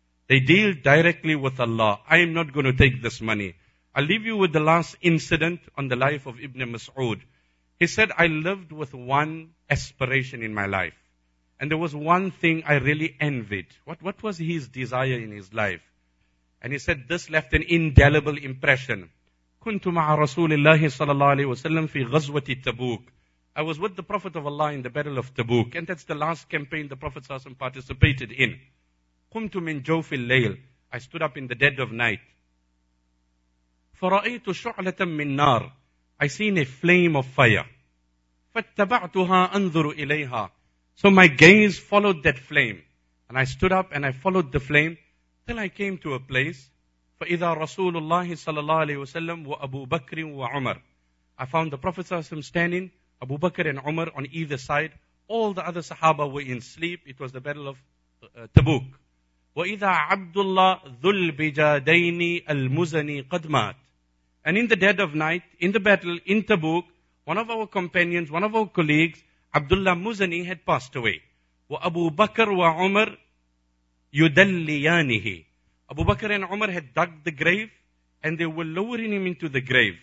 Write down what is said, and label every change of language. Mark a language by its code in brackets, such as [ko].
[en] They deal directly with Allah. I am not going to take this money. I'll leave you with the last incident on the life of Ibn Mas'ud. He said, I lived with one aspiration in my life. And there was one thing I really envied. What was his desire in his life? And he said, this left an indelible impression. [ar] كنت مع رسول الله صلى الله عليه وسلم في غزوة تبوك. [en] I was with the Prophet of Allah in the Battle of Tabuk. And that's the last campaign the Prophet ﷺ participated in. [ar] قُمْتُ مِنْ جَوْفِ اللَّيْلِ. [en] I stood up in the dead of night. [ar] فرأيت شعلة من نار. [en] I seen a flame of fire. [ar] فاتبعتها أنظر إليها. [en] So my gaze followed that flame. And I stood up and I followed the flame. Then I came to a place. [ar] فإذا رسول الله صلى الله عليه وسلم وأبو بكر وعمر. [en] I found the Prophet صلى الله عليه وسلم standing, Abu Bakr and Umar on either side. All the other Sahaba were in sleep. It was the battle of Tabuk. [ar] وإذا عبد الله ذو البجادين المزني قد مات. [en] And in the dead of night, in the battle, in Tabuk, one of our companions, one of our colleagues, Abdullah Muzani, had passed away. [ar] وَأَبُو بَكَرْ وَعُمَرْ يُدَلِّيَانِهِ [en] Abu Bakr and Umar had dug the grave, and they were lowering him into the grave.